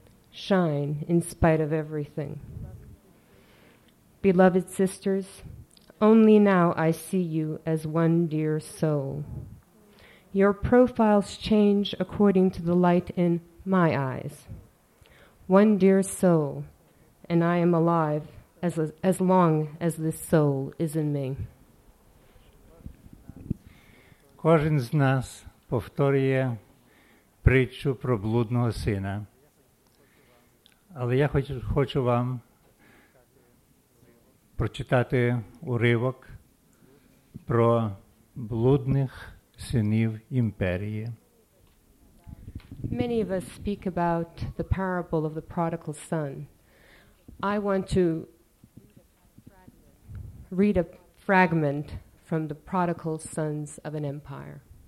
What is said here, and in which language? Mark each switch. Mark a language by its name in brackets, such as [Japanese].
[English] Shine in spite of everything. Beloved sisters, only now I see you as one dear soul. your profiles change according to the light in my eyes. One dear soul, and I am alive as long as this soul is in me. [Ukrainian] Кожен з нас повторює притчу про блудного сина. Але я хочу вам прочитати уривок про блудних синів імперії. [English] Many of us speak about the parable of the prodigal son. I want to read a fragment from the prodigal sons of an empire.